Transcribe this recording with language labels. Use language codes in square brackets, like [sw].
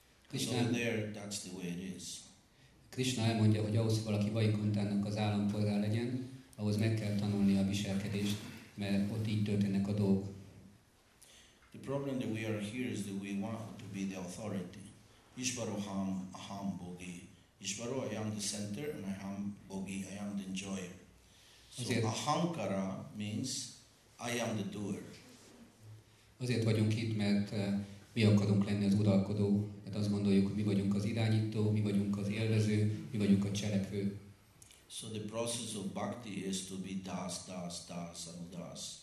[en] Krishna, so there, that's the way it is. [hu] Krishna elmondja, hogy ahhoz, hogy valaki Vaikunthának az állampolgár legyen, ahhoz meg kell tanulni a viselkedést, mert ott így történnek a dolgok. [en] The problem that we are here is that we want to be the authority. [sa] Ishvaroham aham bogi. [en] Ishvaro, I am the center, and I am bogi, I am the enjoyer. So azért, ahankara means I am the doer. [hu] Azért vagyunk itt, mert mi akarunk lenni az uralkodó, mert azt gondoljuk, hogy mi vagyunk az irányító, mi vagyunk az élvező, mi vagyunk a cselekvő. [en] So the process of bhakti is to be das, das, das, and das.